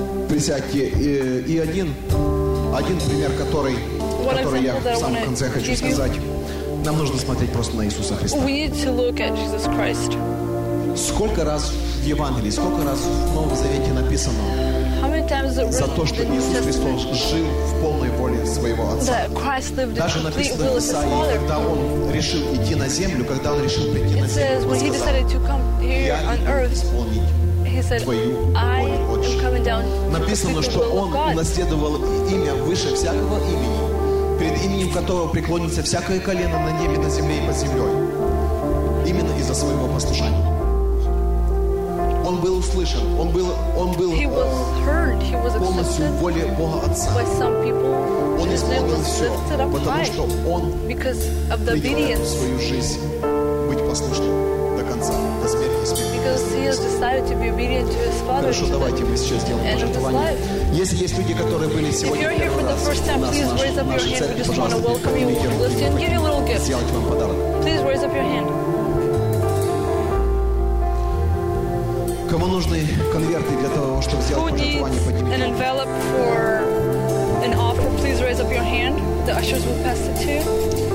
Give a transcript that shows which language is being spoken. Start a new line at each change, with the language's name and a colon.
Russian: И один пример, который я в самом конце хочу сказать. Нам нужно смотреть просто на Иисуса Христа.
English: We need to look at Jesus Christ.
Russian: Сколько раз в Евангелии, сколько раз в Новом Завете написано за то, что Иисус Христос жил в полной воле своего Отца. Даже написано в Исаии, когда Он решил идти на землю, когда Он решил прийти на землю, Он сказал, я исполнить.
English: He said, I am
Russian: написано, что Он унаследовал имя выше всякого имени, перед именем которого преклонится всякое колено на небе, на земле и под землей, именно из-за своего послушания. Он был услышан, он был
English: he was heard, he was
Russian: полностью в воле Бога Отца. Он исполнил все, потому что Он принял свою жизнь быть послушным до конца, до смерти.
English: Because he has decided to be obedient to his father.
Russian: Хорошо, давайте мы сейчас сделаем пожертвование. Если есть люди, которые были сегодня,
English: if you're here for the first time, please raise up your hand. We just want to welcome you, lift you, and give you a little gift.
Russian: Сделать вам подарок.
English: Please raise up your hand.
Russian: Кому нужны конверты для того, чтобы сделать пожертвование, поднимите.
English: An envelope for an offer. Please raise up your hand. The ushers will pass it to you.